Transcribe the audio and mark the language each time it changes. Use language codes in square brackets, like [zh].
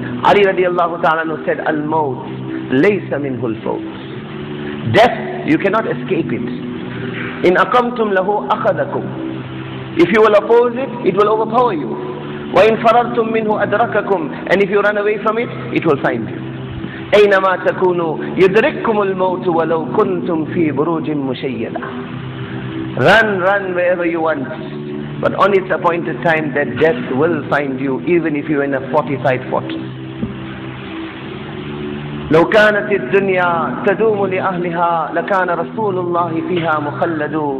[ar] Ali radiallahu ta'ala said, Al-maut laysa minhu al-faut. [en] Death, you cannot escape it. [ar] In akamtum lahu akhadakum. [en] If you will oppose it, it will overpower you. [ar] Wa in farartum minhu adrakakum. [en] And if you run away from it, it will find you. [ar] أينما تكونوا يدرككم الموت ولو كنتم في بروج مشيدة. [en] Run wherever you want, but on its appointed time that death will find you, even if you are in a fortified fortress. [ar] لو كانت الدنيا تدوم لأهلها لكان رسول الله فيها مخلد.